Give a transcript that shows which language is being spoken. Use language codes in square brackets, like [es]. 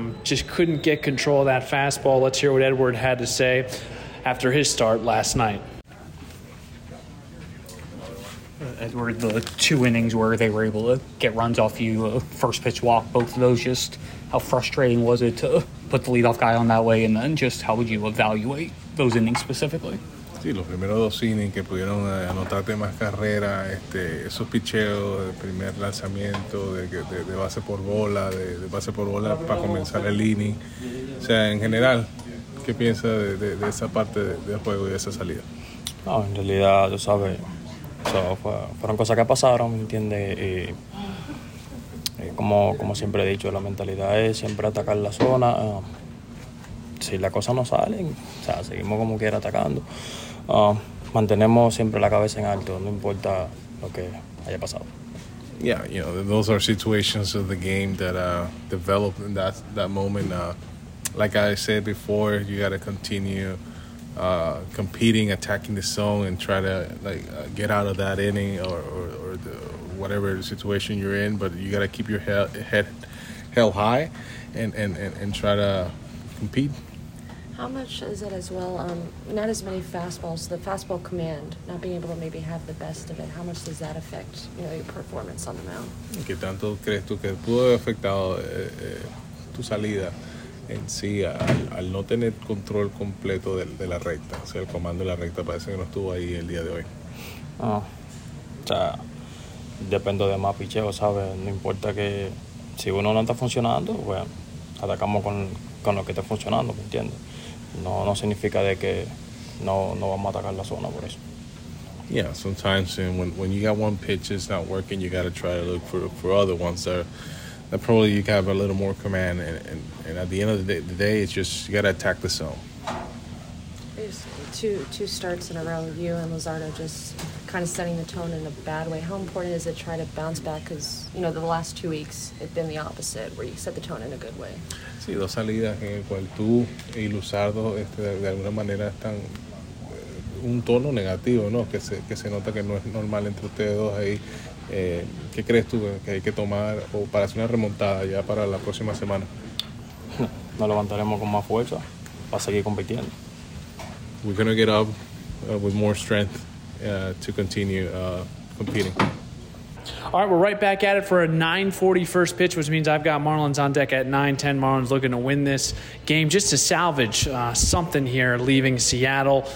[en] Just couldn't get control of that fastball. Let's hear what Edward had to say after his start last night. Edward, the 2 innings where they were able to get runs off you, first pitch walk, both of those, just how frustrating was it to put the leadoff guy on that way? And then just how would you evaluate those innings specifically? [es] Sí, los primeros dos innings que pudieron anotarte más carrera, esos picheos del primer lanzamiento, de base por bola, de base por bola para comenzar el inning. O sea, en general, ¿qué piensa de esa parte del juego y de esa salida? No, en realidad, tú sabes, o sea, fueron cosas que pasaron, ¿me entiendes? Como siempre he dicho, la mentalidad es siempre atacar la zona. Si las cosas no salen, o sea, seguimos como quiera atacando. Mantenemos siempre la cabeza en alto, no importa lo que haya pasado. [en] Yeah, you know, those are situations of the game that developed in that moment. Like I said before, you got to continue competing, attacking the zone, and try to get out of that inning or the, whatever the situation you're in. But you got to keep your head high and try to compete. How much is it as well, not as many fastballs, the fastball command, not being able to maybe have the best of it, how much does that affect, you know, your performance on the mound? [es] ¿Qué tanto crees tú que pudo haber afectado tu salida en sí al no tener control completo de la recta? O sea, el comando de la recta parece que no estuvo ahí el día de hoy. Dependo de más picheo, ¿sabes? No importa que si uno no está funcionando, bueno, atacamos con lo que está funcionando, ¿me entiendes? No significa de que no vamos a atacar la zona por eso. [en] Yeah, sometimes when you got one pitch it's not working, you got to try to look for other ones that probably you have a little more command, and at the end of the day it's just you got to attack the zone. There's two starts in a row, you and Lizardo just kind of setting the tone in a bad way. How important is it to try to bounce back, because, you know, the last 2 weeks it's been the opposite, where you set the tone in a good way? [es] Sí, dos salidas en el cual tú y Luzardo de alguna manera están un tono negativo, ¿no? Que se nota que no es normal entre ustedes dos ahí. ¿Qué crees tú que hay que tomar o para hacer una remontada ya para la próxima semana? Nos levantaremos con más fuerza para seguir compitiendo. [en] We're going to get up with more strength to continue competing. All right, we're right back at it for a 9:40 first pitch, which means I've got Marlins on deck at 9:10. Marlins looking to win this game just to salvage something here leaving Seattle.